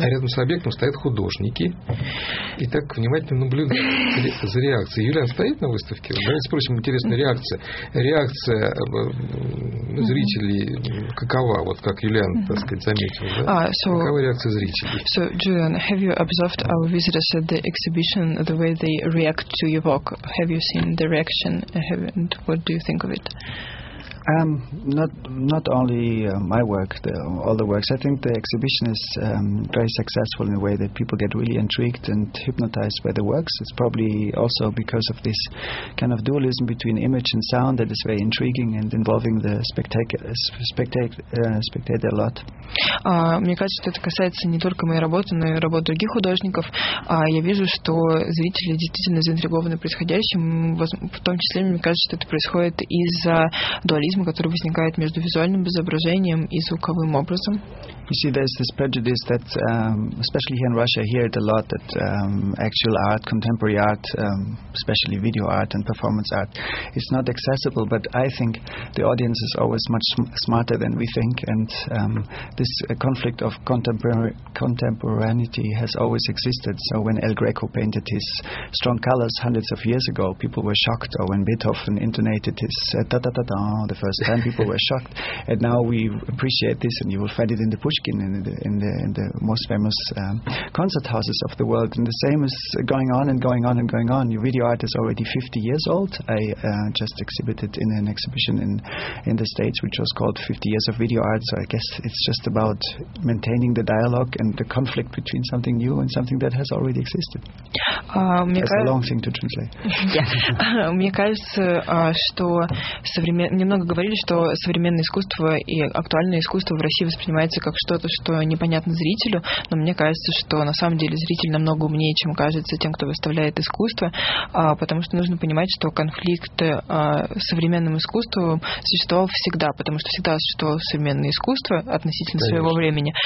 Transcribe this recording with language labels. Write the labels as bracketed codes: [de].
[ru] А рядом с объектом стоят художники. И так внимательно наблюдают за реакцией. Юлиан стоит на выставке? Давайте спросим, интересная реакция. Реакция зрителей какова? Вот как Юлиан, так сказать, заметил. Да? Какова реакция зрителей? [en] So, Julian, have you observed our visitors at the exhibition, the way they react to your work? Have you seen the reaction? And what do you think of it? Not only my work, all the works. I think the exhibition is very successful in a way that people get really intrigued and hypnotized by the works. It's probably also because of this kind of dualism between image and sound that is very intriguing and involving the spectator a lot. [ru] Мне кажется, что это касается не только моей работы, но и работы других художников. Я вижу, что зрители действительно заинтригованы происходящим. В том числе, мне кажется, что это происходит из-за дуализма, который возникает между визуальным изображением и звуковым образом. [en] You see, there's this prejudice that, especially here in Russia, I hear it a lot, that actual art, contemporary art, especially video art and performance art, is not accessible. But I think the audience is always much smarter than we think, and this conflict of contemporaneity has always existed. So when El Greco painted his strong colors hundreds of years ago, people were shocked. Or when Beethoven intonated his ta-ta-ta-ta the first time, people were shocked. And now we appreciate this, and you will find it in the push. In the most famous concert houses of the world, and the same is going on and going on and going on. Your video art is already 50 years old. I just exhibited in an exhibition in the States, which was called 50 Years of Video Art. So I guess it's just about maintaining the dialogue and the conflict between something new and something that has already existed. That's a long thing to translate. [ru] Мне кажется, что немного говорили, что современное искусство и актуальное искусство в России воспринимается как что-то, что непонятно зрителю, но мне кажется, что на самом деле зритель намного умнее, чем кажется тем, кто выставляет искусство, потому что нужно понимать, что конфликт с современным искусством существовал всегда, потому что всегда существовало современное искусство относительно Конечно. Своего времени.